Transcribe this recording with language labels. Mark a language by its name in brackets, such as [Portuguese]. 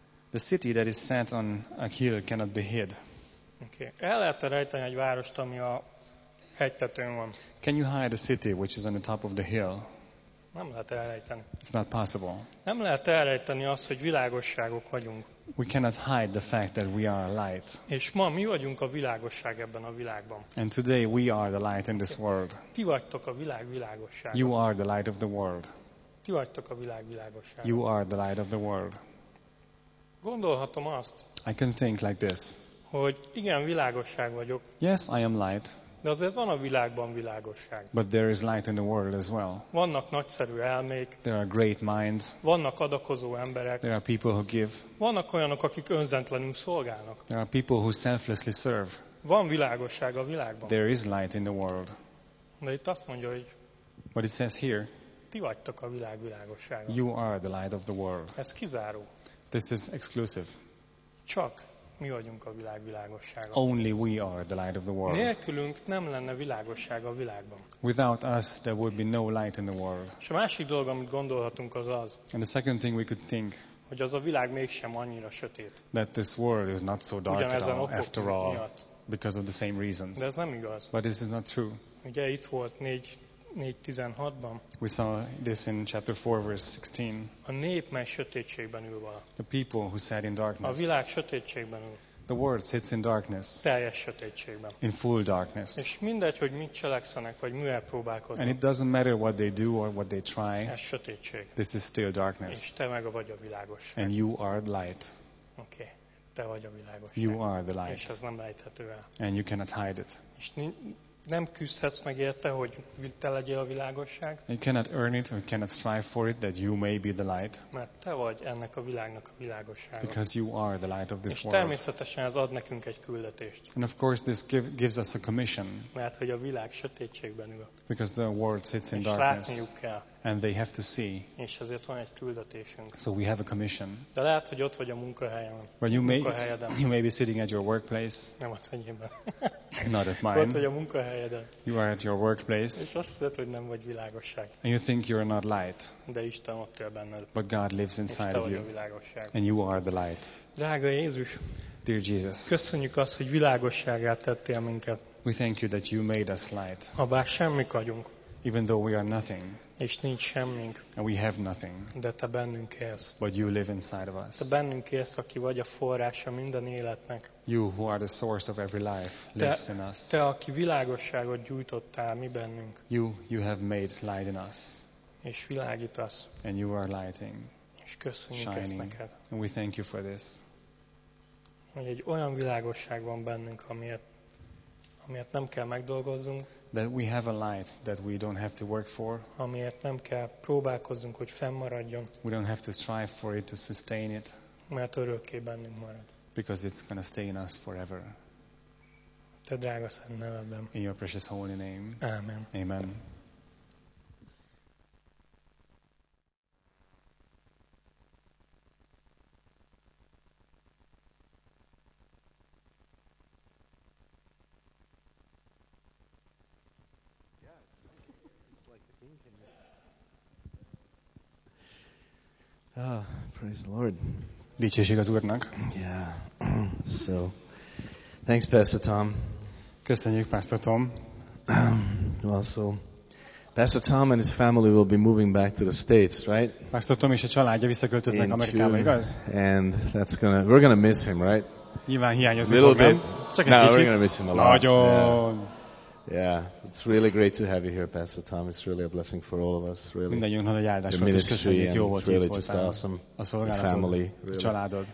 [English] The city that is set on a hill cannot be hid. Okay. [Hungarian] El lehet rejteni egy várost, ami a hegytetőn van. [English] Can you hide a city which is on the top of the hill? [Hungarian] Nem lehet elrejteni. [English] It's not possible. [Hungarian] Nem lehet elrejteni azt, hogy világosságok vagyunk. [English] We cannot hide the fact that we are light. [Hungarian] És ma mi vagyunk a világosság ebben a világban. [English] And today we are the light in this world. [Hungarian] Ti vagytok a világ világossága. [English] You are the light of the world. [Hungarian] Ti vagytok a világ világossága. [English] You are the light of the world. [Hungarian] Gondolhatom azt. [English] I can think like this. [Hungarian] Hogy igen, világosság vagyok. [English] Yes, I am light. [Hungarian] De azért van a világban világosság. [English] But there is light in the world as well. [Hungarian] Vannak nagyszerű elmék. [English] There are great minds. [Hungarian] Vannak adakozó emberek. [English] There are people who give. [Hungarian] Vannak olyanok, akik önzetlenül szolgálnak. [English] There are people who selflessly serve. [Hungarian] Van világosság a világban. [English] There is light in the world. [Hungarian] De itt azt mondja, hogy [English] what it says here, [Hungarian] ti vagytok a világ világossága. [English] You are the light of the world. [Hungarian] Ez kizáró. [English] This is exclusive. [Hungarian] Csak mi vagyunk a világ világossága. [English] Only we are the light of the world. [Hungarian] Nélkülünk nem lenne világosság a világban. [English] Without us there would be no light in the world. [Hungarian] És a másik dolog, amit gondolhatunk, az az. [English] And the second thing we could think. [Hungarian] Hogy az a világ mégsem annyira sötét. [English] That this world is not so dark at all, after all. [Hungarian] Miatt. [English] Because of the same reasons. [Hungarian] De ez nem igaz. [English] But this is not true. [Hungarian] Ugye itt volt 4:16-ban. [English] We saw this in chapter 4, verse 16. [Hungarian] A nép mely sötétségben ül vala. [English] The people who sat in darkness. [Hungarian] A világ sötétségben ül. [English] The world sits in darkness. [Hungarian] Teljes sötétségben. [English] In full darkness. [Hungarian] És mindegy, hogy mit cselekszenek, vagy mivel próbálkoznak. [English] And it doesn't matter what they do or what they try. [Hungarian] Ez sötétség. [English] This is still darkness. [Hungarian] És te meg vagy a világosság. [English] And you are light. [Hungarian] Okay. Te vagy a világosság. [English] You are the light. [Hungarian] És ez nem rejthető el. [English] And you cannot hide it. [Hungarian] És nem küzdhetsz meg érte, hogy te legyél a világosság. [English] You cannot earn it, or you cannot strive for it, that you may be the light. [Hungarian] Mert te vagy ennek a világnak a világossága. [English] Because you are the light of this world. [Hungarian] És természetesen ez ad nekünk egy küldetést. [English] And of course this gives us a commission. [Hungarian] Mert hogy a világ sötétségben ül. [English] Because the world sits in darkness. [Hungarian] És látniuk kell. [English] And they have to see. [Hungarian] És azért van egy küldetésünk. [English] So we have a commission. [Hungarian] De lehet, hogy ott vagy a munkahelyen. [English] But you may be sitting at your workplace. [Hungarian] Nem az enyémben. [English] Not at mine. [Hungarian] Ott vagy a munkahelyeden. [English] You are at your workplace. [Hungarian] És azt hiszed, hogy nem vagy világosság. [English] And you think you are not light. [Hungarian] De Isten ott él benned. [English] But God lives inside of you. [Hungarian] És te vagy a világosság. [English] And you are the light. [Hungarian] Drága Jézus. [English] Dear Jesus. [Hungarian] Köszönjük azt, hogy világosságát tettél minket. [English] We thank you that you made us light. [Hungarian] Habár semmik vagyunk. [English] Even though we are nothing. [Hungarian] És nincs semmink. [English] And we have nothing. [Hungarian] De te bennünk élsz. [English] But you live inside of us. [Hungarian] Te bennünk élsz, aki vagy a forrása minden életnek. [English] You who are the source of every life lives in us. [Hungarian] Te, aki világosságot gyújtottál mi bennünk. [English] You have made light in us. [Hungarian] És világítasz. [English] And you are lighting. [Hungarian] És köszönjük ezt neked. [English] And we thank you for this. [Hungarian] Hogy egy olyan világosság van bennünk, amiért nem kell megdolgozzunk. [English] That we have a light that we don't have to work for. [Hungarian] Amiért nem kell próbálkozzunk, hogy fennmaradjon. [English] We don't have to strive for it to sustain it. [Hungarian] mert örökké bennünk marad. [English] Because it's going to stay in us forever. [Hungarian] Te drága szent nevedben. [English] In your precious holy name. [Hungarian] Amen. [English] Amen. Ah, praise the Lord. [Hungarian] Dicsőség az Úrnak. [English] Yeah. So, thanks, Pastor Tom. [Hungarian] Köszönjük, Pastor Tom. [English] Well, so, Pastor Tom and his family will be moving back to the States, right? [Hungarian] Pastor Tom és a családja visszaköltöznek Amerikába, igaz? [English] And that's gonna, we're gonna miss him, right? [Hungarian] Nyilván hiányozni fogunk. [English] Little bit. [Hungarian] Csak egy kicsit. [English] No, we're gonna miss him a lot. [Hungarian] Nagyon. [English] Yeah, it's really great to have you here, Pastor Tom. It's really a blessing for all of us, really. [Hungarian] Mindenjünk nagy áldás volt, és köszönjük, jó volt, [English] really [Hungarian] itt voltál. [English] Awesome. [Hungarian] A szolgálatod, [English] family, really. [Hungarian] A családod.